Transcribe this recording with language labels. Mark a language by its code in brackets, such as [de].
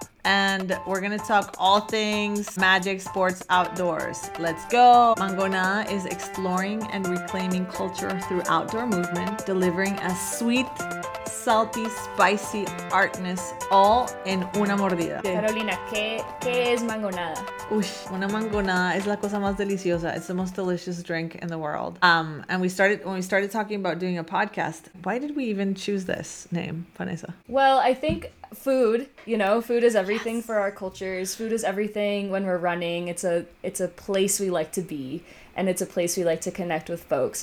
[en] and we're gonna talk all things magic, sports, outdoors. Let's go! Mangonada is exploring and reclaiming culture through outdoor movement, delivering a sweet, salty, spicy artness all in [es] una mordida. Carolina, ¿qué es Mangonada? Ush, una mangonada es la cosa más deliciosa. [en] It's the most delicious drink in the world. And when we started talking about doing a podcast, why did we even choose this name, Vanessa? Well, I think food, you know, food is everything. Yes. For our cultures. Food is everything when we're running. It's a place we like to be, and it's a place we like to connect with folks.